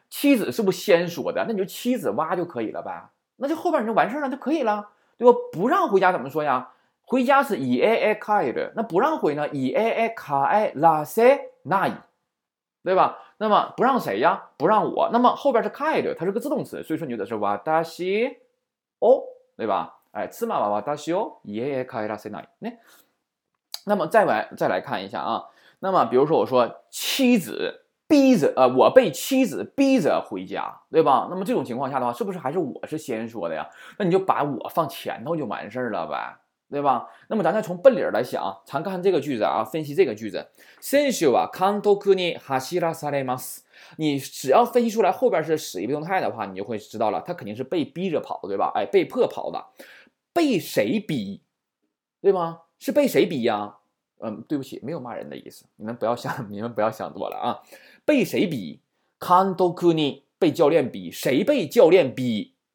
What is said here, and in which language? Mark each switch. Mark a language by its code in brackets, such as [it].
[zh] 妻子是不是先说的？那你就妻子哇就可以了呗，那就后边你就完事了就可以了，对吧？不让回家怎么说呀？回家是 [ja] 家へ帰る， [zh] 那不让回呢？ [ja] 家へ帰らせ [zh] ない，对吧？那么不让谁呀？不让我。那么后边是帰る，它是个自动词，所以说你的是私を，对吧？ [ja] 哎，妻は私を家へ帰らせない。 [zh] 那么再来看一下啊。那么比如说我说妻子逼着我被妻子逼着回家，对吧？那么这种情况下的话，是不是还是我是先说的呀？那你就把我放前头就完事了呗，对吧？那么咱再从笨理来想，咱看这个句子啊，分析这个句子。 [ja] 選手は監督に走らされます。 [zh] 你只要分析出来后边是使役被动态的话，你就会知道了，他肯定是被逼着跑的，对吧？哎，被迫跑的，被谁逼？对吗？是被谁逼呀？对不起，没有骂人的意思，你们不要想多了啊。被谁逼？監督に被教练逼，谁被教练逼？